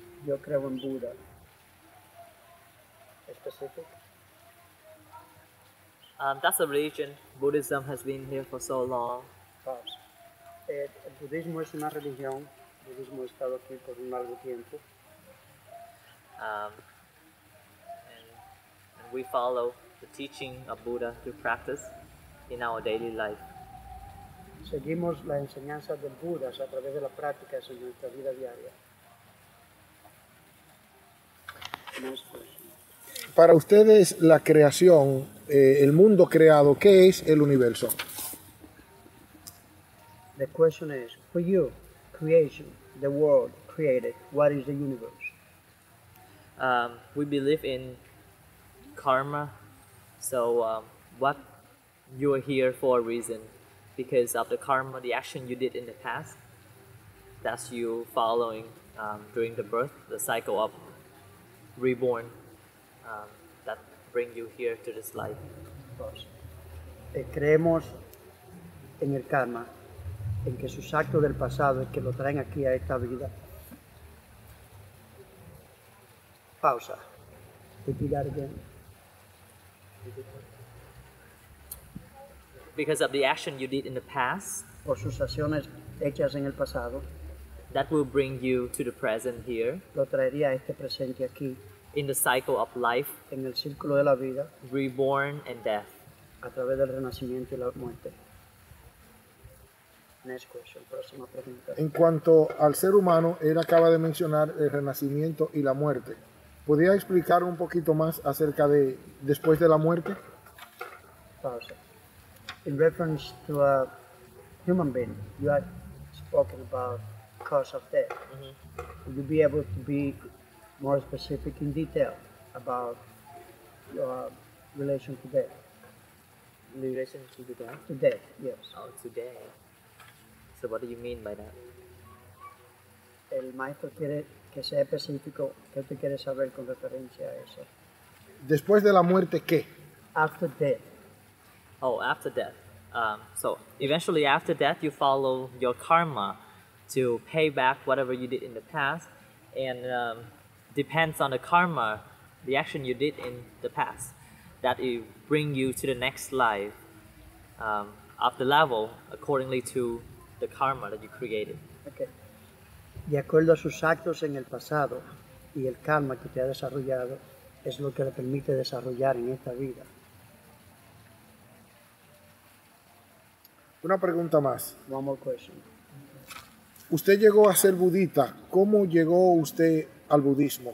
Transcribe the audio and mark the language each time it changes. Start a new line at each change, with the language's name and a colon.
Spanish: Yo creo en Buda.
English: Specific? That's a religion. Buddhism has been here for so long.
Spanish: El budismo es una religión. El budismo ha estado aquí por un largo tiempo.
English: And we follow the teaching of Buddha through practice in our daily life.
Spanish: seguimos las enseñanzas del Buda a través de las prácticas en nuestra vida diaria. Para ustedes, la creación, el mundo creado, ¿qué es el universo?
English: The question is, for you, creation, the world created, what is the universe? We believe in karma, so what you are here for a reason, because of the karma, the action you did in the past, that's you following during the birth, the cycle of reborn, that bring you here to this life.
Spanish: Creemos en el karma, en que sus actos del pasado es que lo traen aquí a esta vida.
English: Pausa. Repeat that again. Because of the action you did in the past,
Spanish: por sus acciones hechas en el pasado,
English: that will bring you to the present here,
Spanish: lo traería a este presente aquí,
English: in the cycle of life,
Spanish: en el círculo de la vida,
English: reborn and death,
Spanish: a través del renacimiento y la muerte.
English: Next question,
Spanish: próxima pregunta. En cuanto al ser humano, él acaba de mencionar el renacimiento y la muerte. ¿Podría explicar un poquito más acerca de después de la muerte? Pausa.
English: In reference to a human being, you had spoken about cause of death. Mm-hmm. Would you be able to be more specific in detail about your relation to death? Relation to the death? To death, yes. Oh, to death. So what do you mean by that?
Spanish: El maestro quiere que sea específico. ¿Qué te quieres saber con referencia a eso? Después de la muerte, ¿qué?
English: After death. Oh, after death. So eventually after death, you follow your karma to pay back whatever you did in the past. And depends on the karma, the action you did in the past, that it bring you to the next life of the level accordingly to the karma that you created. Okay.
Spanish: De acuerdo a sus actos en el pasado y el karma que te ha desarrollado, es lo que le permite desarrollar en esta vida. Una pregunta más.
English: One more question.
Spanish: Usted llegó a ser budista. ¿Cómo llegó usted al budismo?